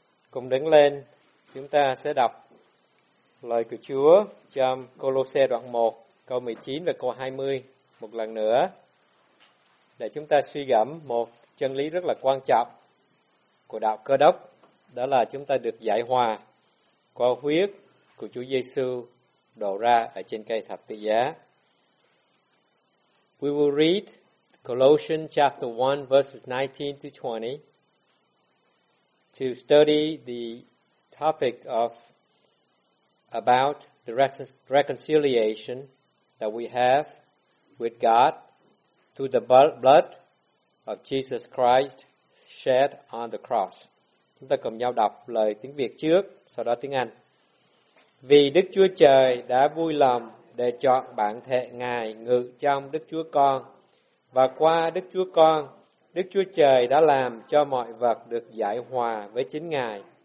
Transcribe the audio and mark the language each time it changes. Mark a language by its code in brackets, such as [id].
[vi] Cùng đứng lên, chúng ta sẽ đọc lời của Chúa trong Côlôse đoạn 1, câu 19 và câu 20 một lần nữa, để chúng ta suy gẫm một chân lý rất là quan trọng của đạo Cơ Đốc, đó là chúng ta được giải hòa qua huyết của Chúa Giêsu đổ ra ở trên cây thập tự giá. [en] We will read Colossians chapter 1 verses 19 to 20 to study the topic of about the reconciliation that we have with God through the blood of Jesus Christ shed on the cross. [vi] Chúng ta cùng nhau đọc lời tiếng Việt trước, sau đó tiếng Anh. Vì Đức Chúa Trời đã vui lòng để chọn bản thể Ngài ngự trong Đức Chúa Con, và qua Đức Chúa Con, Đức Chúa Trời đã làm cho mọi vật được giải hòa với chính Ngài.